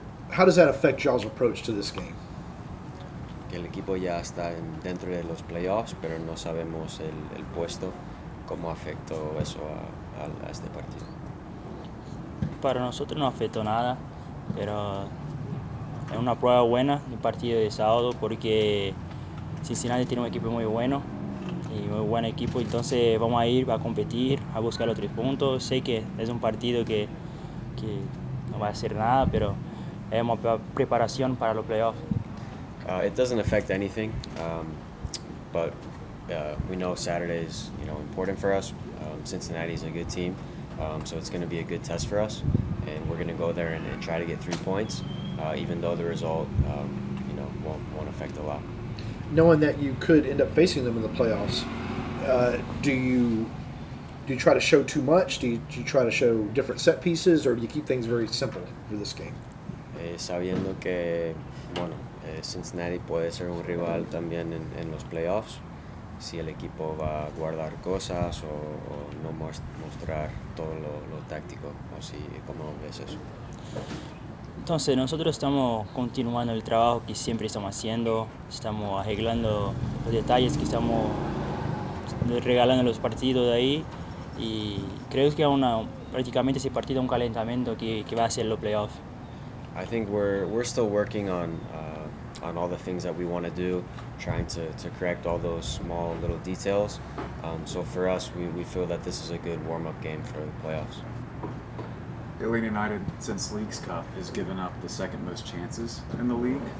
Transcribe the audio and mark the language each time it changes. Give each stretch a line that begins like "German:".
English: How does that affect y'all's approach to this game?
Spanish: Que el equipo ya está dentro de los playoffs, pero no sabemos el puesto, cómo afectó eso a este partido. Para nosotros no afectó nada, pero es una prueba buena el partido de sábado, porque Cincinnati tiene un equipo muy bueno, y muy buen equipo, entonces vamos a ir a competir, a buscar los tres puntos. Sé que es un partido que no va a hacer nada, pero es una preparación para los playoffs.
English: It doesn't affect anything, but we know Saturday is, you know, important for us. Cincinnati is a good team, so it's going to be a good test for us, and we're going to go there and try to get 3 points, even though the result, you know, won't affect a lot. Knowing that you could end up facing them in the playoffs, do you try to show too much? Do you try to show different set pieces, or do you keep things very simple for this game?
Spanish: Sabiendo que, bueno, Cincinnati puede ser un rival también en los playoffs. Si el equipo va a guardar cosas o no mostrar todo lo táctico, o si, ¿cómo ves eso? Entonces, nosotros estamos continuando el trabajo que siempre estamos haciendo. Estamos arreglando los detalles que estamos regalando los partidos de ahí. Y creo que prácticamente ese partido es un calentamiento que va a ser los playoffs.
English: I think we're still working on all the things that we want to do, trying to correct all those small little details. So for us, we feel that this is a good warm-up game for the playoffs. Atlanta United, since League's Cup, has given up the second most chances in the league.